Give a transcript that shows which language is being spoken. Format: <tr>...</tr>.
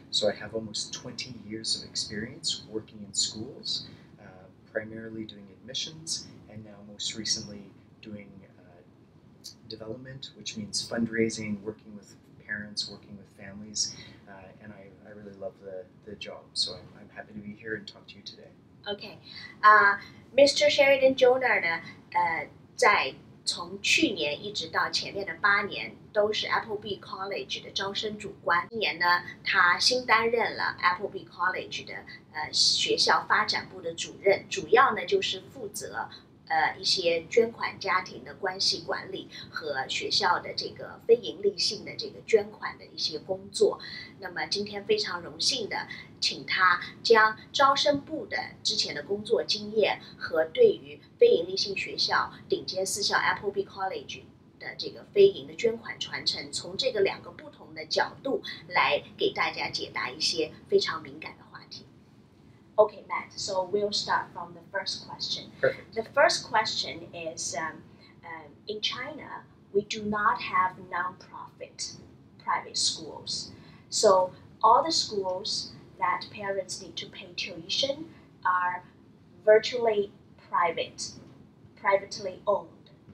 <en>So I have almost 20 years of experience working in schools, primarily doing admissions, and now most recently doing development, which means fundraising, working with parents, working with families, and I really love the job. So I'm happy to be here and talk to you today. Okay. Mr.</en> <zh>Sheridan Jonah 呢，在从去年一直到前面的八年都是 Appleby College 的招生主管。今年呢，他新担任了 Appleby College 的学校发展部的主任，主要呢就是负责一些捐款家庭的关系管理和学校的这个非盈利性的这个捐款的一些工作。那么今天非常荣幸的请他将招生部的之前的工作经验和对于非盈利性学校顶尖私校 Appleby College 的这个非盈的捐款传承，从这个两个不同的角度来给大家解答一些非常敏感的话题。</zh> <en>Okay, Matt, so we'll start from the first question. Perfect. The first question is, in China, we do not have non-profit private schools. So all the schools that parents need to pay tuition are virtually privately owned.</en>